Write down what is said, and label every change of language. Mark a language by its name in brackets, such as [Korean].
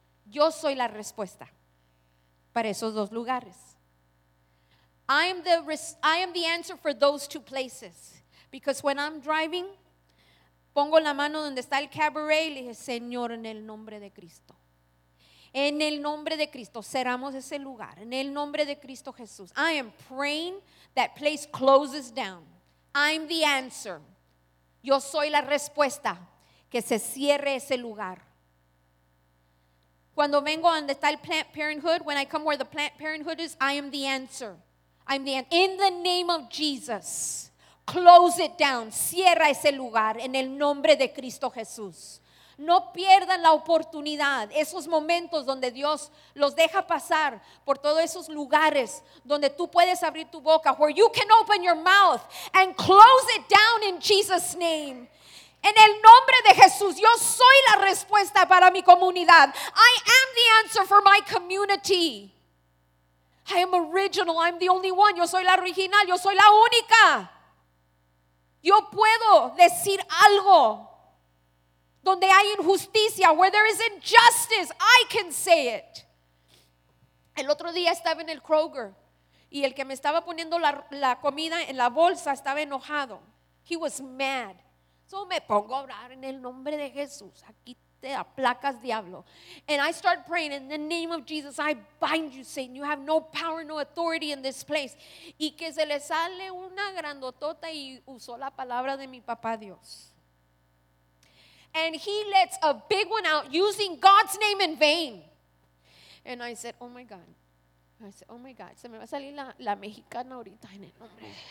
[Spanish] Yo soy la respuesta para esos dos lugares. [English] I am the answer for those two places. Because when I'm driving, [Spanish] pongo la mano donde está el cabaret y le dije, Señor, en el nombre de Cristo. En el nombre de Cristo, cerramos ese lugar. En el nombre de Cristo Jesús. [English] I am praying that place closes down. I'm the answer. [Spanish] Yo soy la respuesta que se cierre ese lugar. Cuando vengo donde está el Planned Parenthood, [English] when I come where the Planned Parenthood is, I am the answer. I'm the end. In the name of Jesus, close it down. [Spanish] Cierra ese lugar en el nombre de Cristo Jesús. No pierdan la oportunidad, esos momentos donde Dios los deja pasar por todos esos lugares donde tú puedes abrir tu boca, [English] where you can open your mouth and close it down in Jesus' name. [Spanish] En el nombre de Jesús, yo soy la respuesta para mi comunidad. [English] I am the answer for my community. I am original, I'm the only one. [Spanish] Yo soy la original, yo soy la única. Yo puedo decir algo donde hay injusticia, [English] where there is injustice, I can say it. [Spanish] El otro día estaba en el Kroger y el que me estaba poniendo la comida en la bolsa estaba enojado. [English] He was mad. [Spanish] So me pongo a orar en el nombre de Jesús. Aquí te aplacas, diablo. [English] And I start praying in the name of Jesus. I bind you, Satan. You have no power, no authority in this place. [Spanish] Y que se le sale una grandotota y usó la palabra de mi papá Dios. [English] And he lets a big one out using God's name in vain. And I said, oh my God. I said, oh my God. [Spanish] Se me va a salir la mexicana ahorita en el nombre.